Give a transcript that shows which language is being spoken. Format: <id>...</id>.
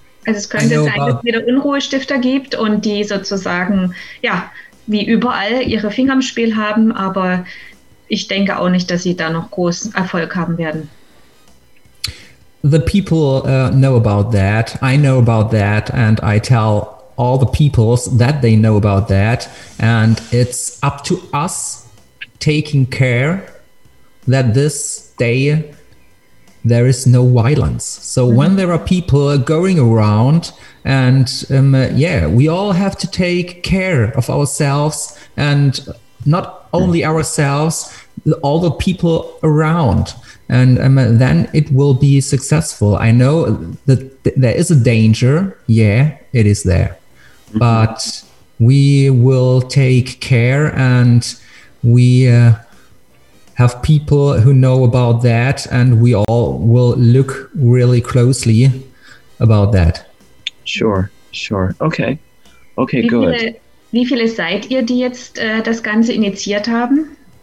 <de>Also es könnte sein, dass es wieder Unruhestifter gibt und die sozusagen, ja, wie überall ihre Finger im Spiel haben, aber ich denke auch nicht, dass sie da noch großen Erfolg haben werden.</de> <en>The people know about that. I know about that and I tell all the peoples that they know about that. And it's up to us taking care that this day there is no violence. So mm-hmm. when there are people going around and we all have to take care of ourselves and not only ourselves, all the people around. And then it will be successful. I know that there is a danger. Yeah, it is there. But we will take care and we have people who know about that and we all will look really closely about that. Sure, sure. Okay. Okay, good.</en> <de>Wie viele seid ihr, die jetzt das Ganze initiiert haben?</de>